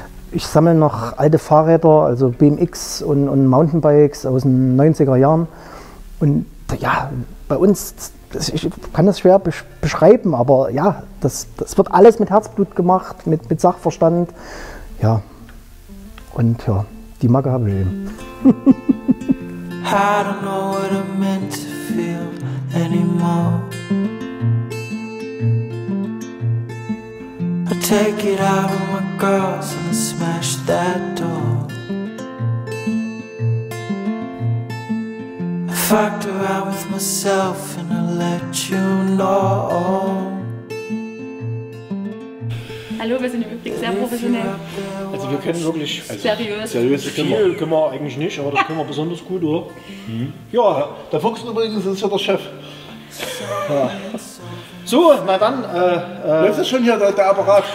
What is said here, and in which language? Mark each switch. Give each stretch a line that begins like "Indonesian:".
German: Ich sammle noch alte Fahrräder, also BMX und Mountainbikes aus den 90er Jahren. Und ja, bei uns, ich kann das schwer beschreiben, aber ja, das wird alles mit Herzblut gemacht, mit Sachverstand. Ja, und ja, die Macke habe ich eben.
English: I don't know what I'm meant to feel anymore. I take it out on my girls and I smash that door. I fucked around with myself and I let you know.
German: Hallo, wir sind im Übrigen sehr professionell. Also wir können wirklich seriös. Viel können wir eigentlich nicht, aber das können wir besonders gut, oder? Mhm. Ja, der Fuchs übrigens ist ja der Chef. Ja. So, na dann. Das ist schon hier der Apparat.